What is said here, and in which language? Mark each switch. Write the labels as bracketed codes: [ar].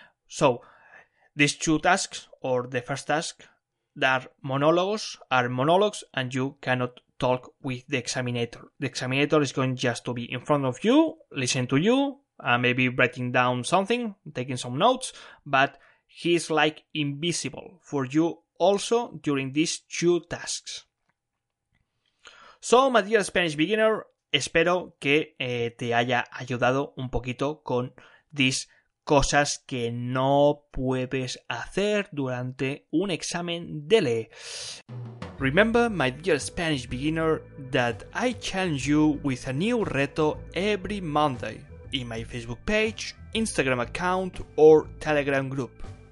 [en] So these two tasks, or the first task, are monologues, and you cannot talk with the examinator. The examinator is going just to be in front of you, listen to you, maybe writing down something, taking some notes, but he's like invisible for you also during these two tasks. So, my dear Spanish beginner, [es] espero que te haya ayudado un poquito con these cosas que no puedes hacer durante un examen DELE. [en] Remember, my dear Spanish beginner, that I challenge you with a new reto every Monday in my Facebook page, Instagram account, or Telegram group.